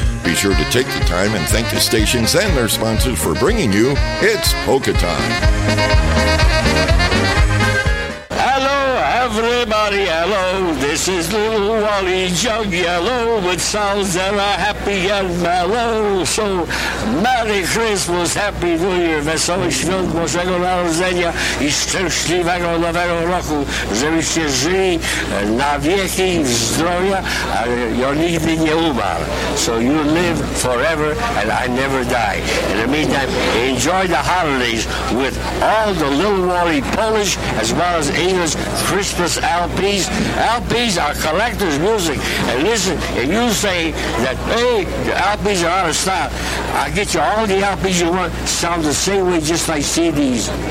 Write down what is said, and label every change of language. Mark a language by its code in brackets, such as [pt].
[en] Be sure to take the time and thank the stations and their sponsors for bringing you It's Polka Time. Everybody, hello, this is little Wally Jug Yellow with sounds that are happy and mellow. So, Merry Christmas, Happy New Year, [pl] Wesołych Świąt, Bożego Narodzenia i szczęśliwego nowego roku, żebyście żyli na wieki w zdrowia, a ja nigdy nie umarł. [en] So you live forever and I never die. In the meantime, enjoy the holidays with all the little Wally Polish as well as English Christmas LPs. LPs are collector's music. And listen, if you say that, hey, the LPs are out of style, I'll get you all the LPs you want, sound the same way just like CDs.